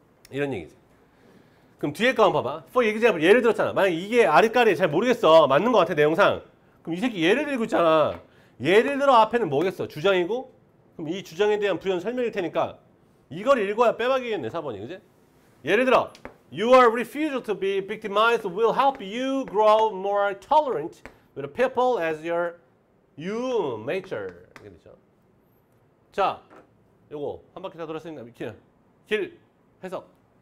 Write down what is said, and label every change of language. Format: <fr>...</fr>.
<ko>이런 얘기지. 그럼 뒤에 거 한번 봐봐.</ko> <en>For example,</en> <ko>예를 들었잖아. 만약 이게 아리까리 잘 모르겠어. 맞는 것 같아, 내용상. 그럼 이 새끼 예를 들고 있잖아. 예를 들어 앞에는 뭐겠어? 주장이고? 그럼 이 주장에 대한 부연 설명일 테니까 이걸 읽어야 빼박이겠네, 4번이. 그지? 예를 들어,</ko> <en>Your refusal to be victimized will help you grow more tolerant with people as your you mature.</en> <ko>이렇게 되죠. 자, 요거 한 바퀴 다 돌았으니까 미키야. 길, 해석.</ko>